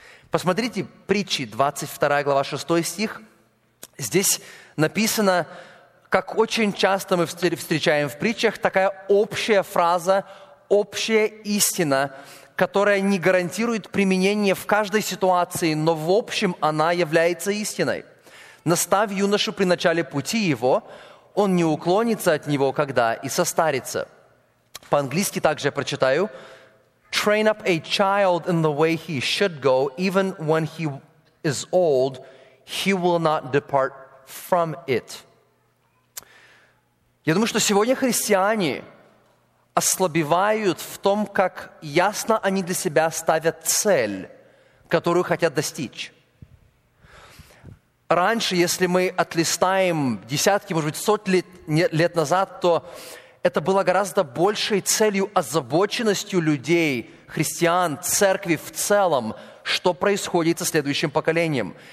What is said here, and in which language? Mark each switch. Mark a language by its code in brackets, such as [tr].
[ru] Посмотрите, притчи, 22 глава, 6 стих. Здесь написано, как очень часто мы встречаем в притчах, такая общая фраза, общая истина, которая не гарантирует применение в каждой ситуации, но в общем она является истиной. «Наставь юношу при начале пути его, он не уклонится от него, когда и состарится». По-английски также я прочитаю. [en] «Train up a child in the way he should go, even when he is old, he will not depart from it». [ru] Я думаю, что сегодня христиане ослабевают в том, как ясно они для себя ставят цель, которую хотят достичь. Раньше, если мы отлистаем десятки, может быть, сотни лет назад, то это было гораздо большей целью, озабоченностью людей, христиан, церкви в целом, что происходит со следующим поколением.